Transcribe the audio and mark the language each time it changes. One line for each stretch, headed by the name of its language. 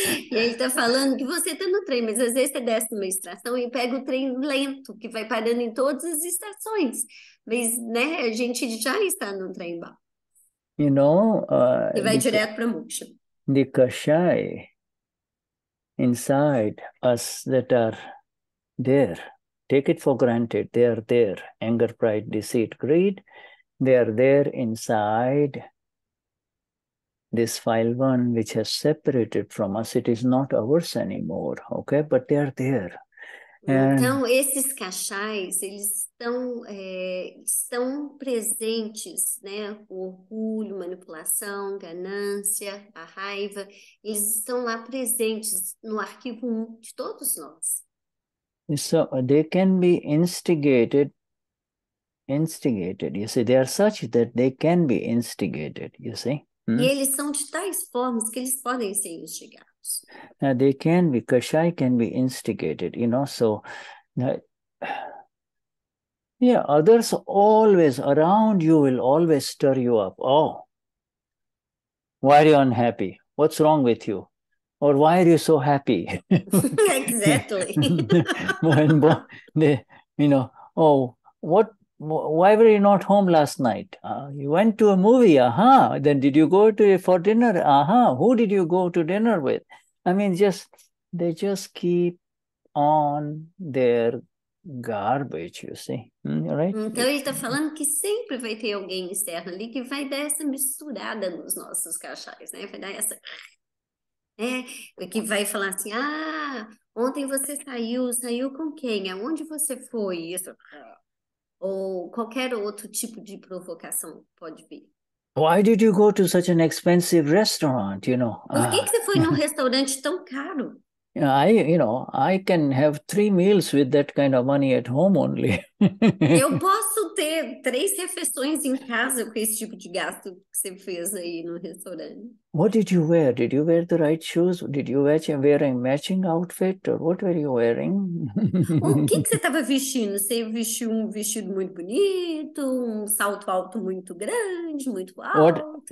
Portuguese: E ele está falando que você está no trem, mas às vezes você desce numa estação e pega o trem lento, que vai parando em todas as estações. Mas, né, a gente já está no trem bala. E vai direto para moksha.
English: The kashaya inside us that are there, take it for granted, they are there. Anger, pride, deceit, greed, they are there inside. This file one, which has separated from us, it is not ours anymore, okay? But they are there.
Portuguese: Então, esses cachais, eles estão presentes, né? O orgulho, manipulação, ganância, a raiva, eles estão lá presentes no arquivo 1 de todos nós.
English: So, they can be instigated, you see, they are such that they can be instigated, you see?
Portuguese: E eles são de tais formas que eles podem ser instigados.
English: Now they can be, kashai can be instigated, so, others always, around you will always stir you up. Oh, why are you unhappy? What's wrong with you? Or why are you so happy? Exactly. Why were you not home last night? You went to a movie, aha. Then did you go for dinner? Aha. Who did you go to dinner with? I mean, they just keep on their garbage, you see. Right?
Portuguese: Então ele está falando que sempre vai ter alguém externo ali que vai dar essa misturada nos nossos cachais, né? Vai dar essa... que vai falar assim, ah, ontem você saiu com quem? Aonde você foi? Isso... Ou qualquer outro tipo de provocação pode vir.
English: Why did you go to such an expensive restaurant,
Portuguese: Por que você foi num restaurante tão caro?
English: I can have three meals with that kind of money at home only.
Portuguese: Eu posso ter três refeições em casa com esse tipo de gasto que você fez aí no restaurante.
English: What did you wear? Did you wear the right shoes? Did you wear a matching outfit? Or what were you wearing?
Portuguese: O que você estava vestindo? Você vestiu um vestido muito bonito, um salto alto muito grande, muito alto?